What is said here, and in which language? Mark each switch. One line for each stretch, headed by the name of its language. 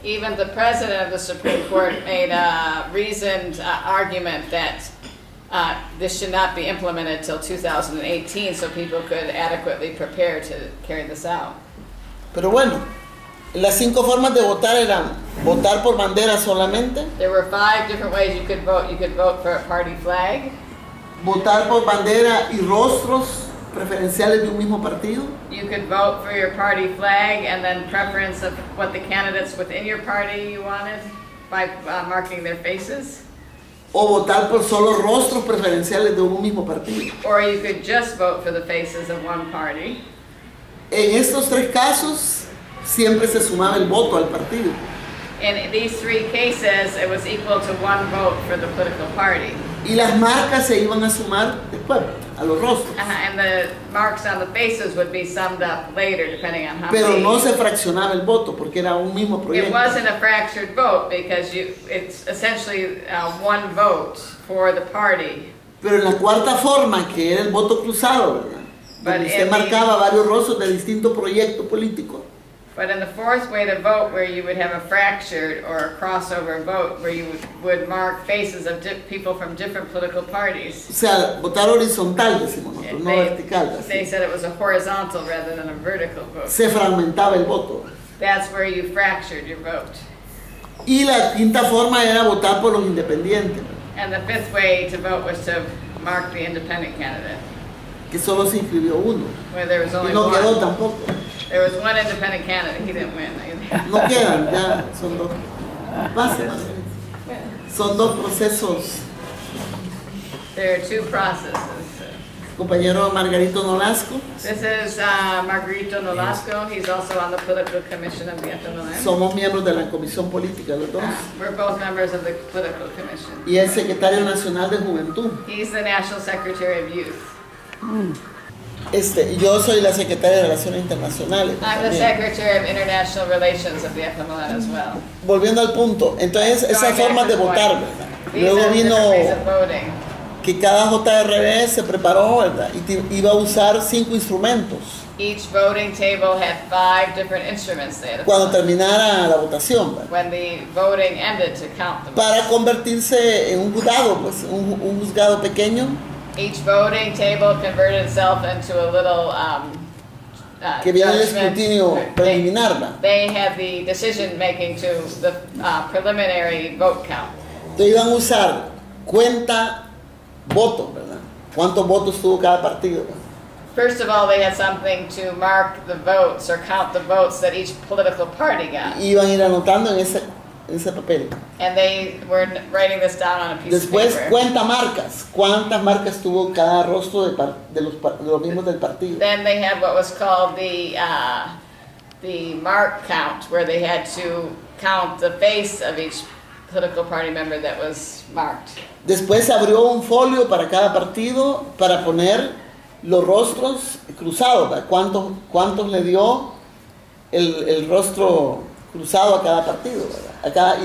English: Even the president of the Supreme Court made a reasoned argument that this should not be implemented till 2018 so people could adequately prepare to carry this out.
Spanish: Pero bueno, las 5 formas de votar eran votar por bandera solamente.
English: There were 5 different ways you could vote. You could vote for a party flag.
Spanish: Votar por bandera y rostros preferenciales de un mismo partido.
English: You could vote for your party flag and then preference of what the candidates within your party you wanted by marking their faces.
Spanish: O votar por solo rostros preferenciales de un mismo partido.
English: Or you could just vote for the faces of one party.
Spanish: En estos tres casos, siempre se sumaba el voto al partido.
English: In these three cases, it was equal to one vote for the political party.
Spanish: Y las marcas se iban a sumar después, a los rostros.
English: And the marks on the faces would be summed up later, depending on how many.
Spanish: Pero no se fraccionaba el voto, porque era un mismo proyecto.
English: It wasn't a fractured vote, because it's essentially one vote for the party.
Spanish: Pero en la cuarta forma, que era el voto cruzado, ¿verdad? Donde usted marcaba varios rostros de distinto proyecto político.
English: But in the fourth way to vote, where you would have a fractured or a crossover vote, where you would mark faces of people from different political parties.
Spanish: O sea, votar horizontal, decimos nosotros, no vertical. Así.
English: They said it was a horizontal rather than a vertical vote.
Spanish: Se fragmentaba el voto.
English: That's where you fractured your vote.
Spanish: Y la quinta forma era votar por los independientes.
English: And the fifth way to vote was to mark the independent candidate.
Spanish: Que solo se inscribió uno.
English: Where there was only
Spanish: no
English: one.
Spanish: Quedó tampoco.
English: There was one independent candidate. He didn't win.
Spanish: No quedan, ya. Son dos. Pase, pase. Son dos procesos.
English: There are two processes.
Spanish: Compañero Margarito Nolasco.
English: This is Margarito Nolasco. He's also on the Political Commission of Vietnam.
Spanish: Somos miembros de la Comisión Política, los dos.
English: We're both members of the Political Commission.
Spanish: Y el Secretario Nacional de Juventud.
English: He's the National Secretary of Youth.
Spanish: Yo soy la secretaria de Relaciones Internacionales.
English: I'm the Secretary of International Relations of the FMLN as well.
Spanish: Volviendo al punto, entonces esa forma de votar, ¿verdad? Luego vino que cada JRBS se preparó, ¿verdad? Y iba a usar cinco instrumentos.
English: Each voting table had five different instruments there.
Spanish: Cuando terminara la votación, ¿verdad?
English: When the voting ended to count them.
Spanish: Para convertirse en un juzgado, pues, un juzgado pequeño.
English: Each voting table converted itself into a little
Spanish: que viene el escrutinio preliminar.
English: They had the decision making to the preliminary vote count.
Spanish: Entonces iban a usar cuenta voto, ¿verdad? ¿Cuántos votos tuvo cada partido?
English: First of all, they had something to mark the votes or count the votes that each political party got.
Spanish: Y iban a ir anotando en ese papel.
English: And they were writing this down on a piece
Spanish: después,
English: of paper.
Spanish: Después cuenta marcas. ¿Cuántas marcas tuvo cada rostro de los mismos del partido?
English: Then they had what was called the mark count, where they had to count the face of each political party member that was marked.
Spanish: Después abrió un folio para cada partido para poner los rostros cruzados. ¿Cuántos le dio el rostro cruzado a cada partido, ¿verdad?